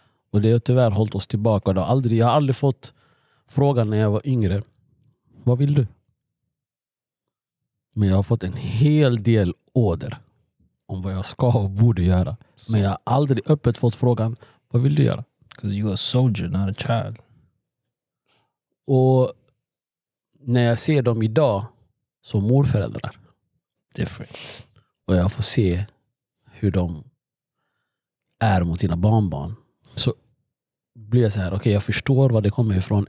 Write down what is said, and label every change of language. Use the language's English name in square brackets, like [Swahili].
[Swedish] Och det har tyvärr hållit oss tillbaka. Jag har aldrig fått frågan när jag var yngre: vad vill du? Men jag har fått en hel del order om vad jag ska och borde göra. Men jag har aldrig öppet fått frågan: vad vill du göra? [English] Because you are a soldier, not a child. [Swedish] Och när jag ser dem idag som morföräldrar, [English] different. [Swedish] Och jag får se hur de är mot sina barnbarn, så blir jag så här: okej, jag förstår var det kommer ifrån.